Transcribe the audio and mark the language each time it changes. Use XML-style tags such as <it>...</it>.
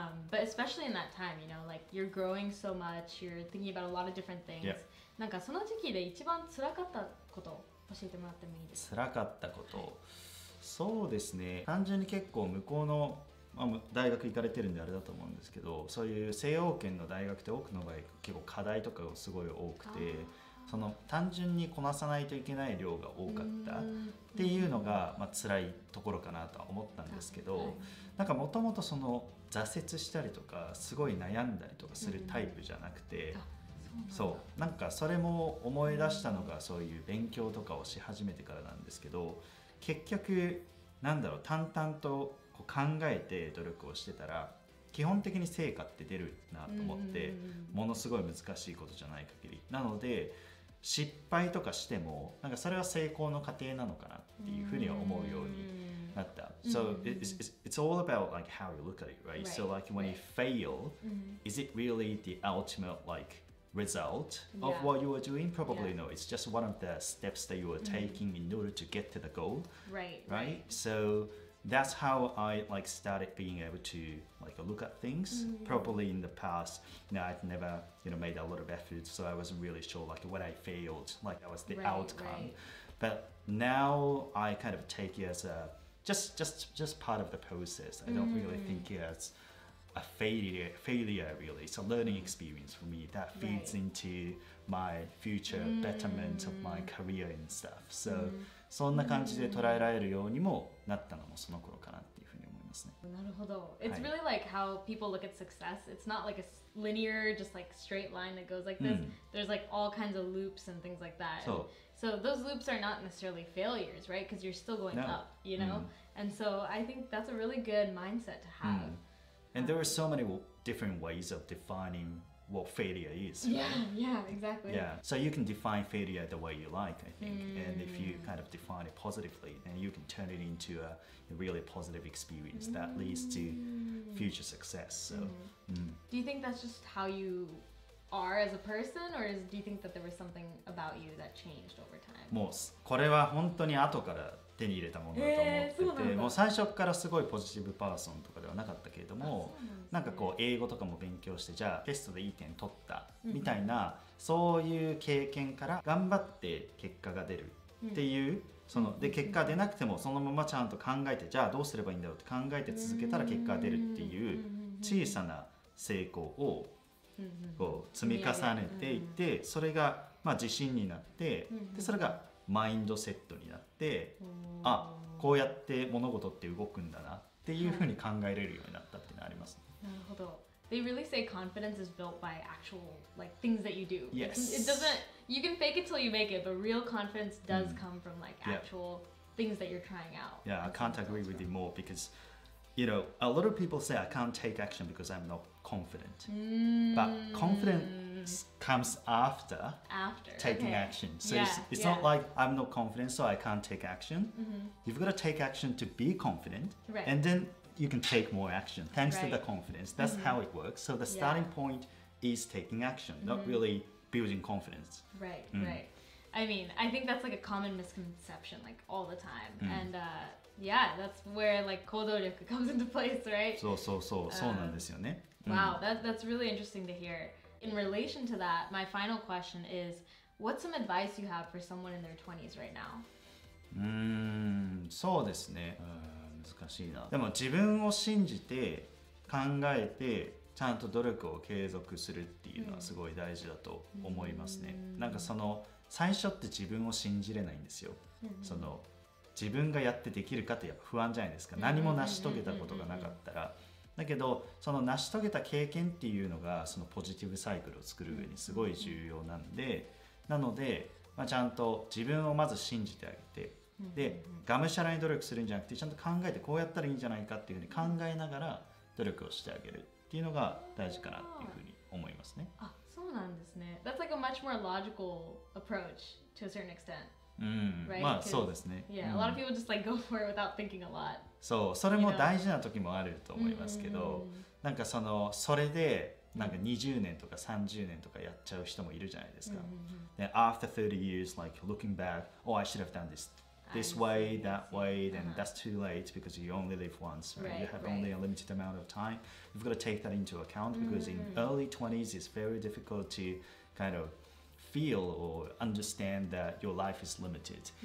<en>But especially in that time, you know, like you're growing so much, you're thinking about a lot of different things. Yeah.</en> <ja>なんかその時期で一番辛かったことを教えてもらってもいいですか。辛かったこと、そうですね。単純に結構向こうの、まあ、大学行かれてるんであれだと思うんですけど、そういう西洋圏の大学って多くの場合結構課題とかがすごい多くて、その単純にこなさないといけない量が多かったっていうのが、まあ、辛いところかなとは思ったんですけど、なんかもともとその挫折したりとかすごい悩んだりとかするタイプじゃなくて、そう、なんかそれも思い出したのがそういう勉強とかをし始めてからなんですけど、結局なんだろう、淡々とこう考えて努力をしてたら基本的に成果って出るなと思って、ものすごい難しいことじゃない限り、なので失敗とかしてもなんかそれは成功の過程なのかなっていうふうには思うようになった。</ja> <en>So it's all about like how you look at it, right? Right. So like when you fail, is it really the ultimate likeresult of what you were doing? Probably no, it's just one of the steps that you were taking in order to get to the goal, right? SoThat's how I like started being able to like look at things properly in the past. Now I've never, you know, made a lot of effort, so I wasn't really sure like what I failed, like that was the outcome. But now I kind of take it as a just part of the process. I don't really think it as a failure really. It's a learning experience for me that feeds into my future betterment of my career and stuff. So.</en> <ja>そんな感じで捉えられるようにもなったのもその頃かなっていうふうに思いますね。なるほど。</ja> <en>It's really like how people look at success. It's not like a linear, just like straight line that goes like this. There's like all kinds of loops and things like that.</en> <ja>そう。</ja> <en>So those loops are not necessarily failures, right? Because you're still going up, you know? And so I think that's a really good mindset to have. And there were so many different ways of defining what failure is. Yeah, right? Yeah, exactly. Yeah, so you can define failure the way you like, I think. Mm. And if you kind of define it positively, then you can turn it into a really positive experience that leads to future success. So, Do you think that's just how you are as a person, or is, do you think that there was something about you that changed over time?</en> <ja>もうこれは本当に後から手に入れたものだと思ってて、もう最初からすごいポジティブパーソンとかではなかったけれども、なんかこう英語とかも勉強してじゃあテストでいい点取ったみたいな、そういう経験から頑張って結果が出るっていう、そので結果出なくてもそのままちゃんと考えてじゃあどうすればいいんだろうって考えて続けたら結果が出るっていう小さな成功をこう積み重ねていって、それがまあ自信になって、でそれがマインドセットになって、あ、こうやって物事って動くんだなっていうふうに考えれるようになったっていうのがあります。なるほど。</ja> <en>They really say confidence is built by actual like things that you do. Yes. It doesn't, you can fake it till you make it, but real confidence does come from like actual things that you're trying out. Yeah, I can't agree with you more, because you know, a lot of people say I can't take action because I'm not confident. But confidence comes after taking action. So it's not like I'm not confident so I can't take action. You've got to take action to be confident. Right. And then you can take more action thanks to the confidence. That's how it works. So the starting point is taking action, not really building confidence. Right. I mean, I think that's like a common misconception like all the time. Yeah, that's where like 行動力 comes into place, right?</en> <ja>そうそうそう、そうなんですよね。</ja> <en>Wow, that's really interesting to hear. In relation to that, my final question is, what's some advice you have for someone in their 20s right now?</en> <ja>そうですね。難しいな。でも自分を信じて、考えて、ちゃんと努力を継続するっていうのはすごい大事だと思いますね。なんかその、最初って自分を信じれないんですよ。その自分がやってできるかってやっぱ不安じゃないですか。何も成し遂げたことがなかったら。だけどその成し遂げた経験っていうのがそのポジティブサイクルを作る上にすごい重要なんで、なので、まあ、ちゃんと自分をまず信じてあげて、でがむしゃらに努力するんじゃなくて、ちゃんと考えてこうやったらいいんじゃないかっていうふうに考えながら努力をしてあげるっていうのが大事かなっていうふうに思いますね。あ、そうなんですね。</ja> <en>That's like a much more logical approach to a certain extent. Right?</en> <ja>まあそうですね。</ja> <en>Yeah, a lot of people just like go for it without thinking a lot.</en> <ja>そう、それも大事な時もあると思いますけど、なんかそのそれでなんか20年とか30年とかやっちゃう人もいるじゃないですか。</ja> <en>で、after 30 years, like looking back, oh, I should have done this way, that way, then that's too late because you only live once, right? You have only a limited amount of time. You've got to take that into account because in early 20s, it's very difficult to kind of feel or understand that your life is limited.</en>